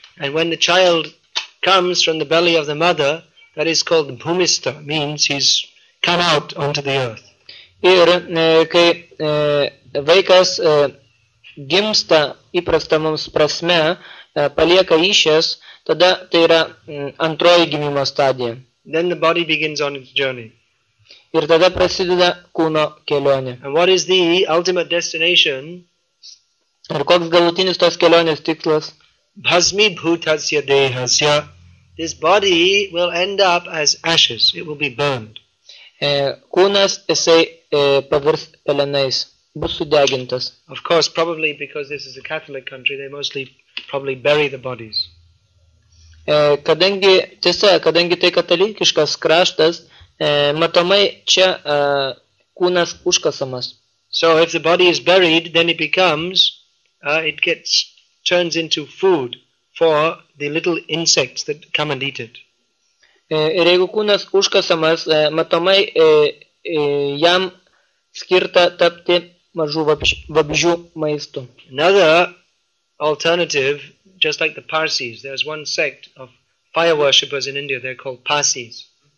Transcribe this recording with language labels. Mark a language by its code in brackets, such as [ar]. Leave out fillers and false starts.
[en] And when the child comes from the belly of the mother, that is called bhumistha, means he's come out onto the earth. [lt] Ir kai vaikas gimsta įprasta mums prasme, palieka išies, tada tai yra antroji gimimo stadija. [en] Then the body begins on its journey. [lt] Ir tada prasideda kūno kelionė. [en] And what is the ultimate destination? [lt] Ir koks galutinis tos kelionės tikslas? [sa] Bhasmi bhutasya dehasya. [en] This body will end up as ashes. It will be burned. [lt] Kūnas, jisai pavirs pelenais. Bus sudegintas. [en] Of course, probably because this is a Catholic country, they mostly probably bury the bodies. [lt] Kadangi, tiesa, kadangi tai katalikiškas kraštas, matomai čia kūnas užkasamas. [en] So if the body is buried, then it becomes... it gets turns into food for the little insects that come and eat it. [lt] Ir jeigu kūnas užkasamas, matomai jam skirta tapti mažų vabžių maistu. [en] Another alternative, just like the Parsis, there's one sect of fire worshippers in India, they're called Parsis.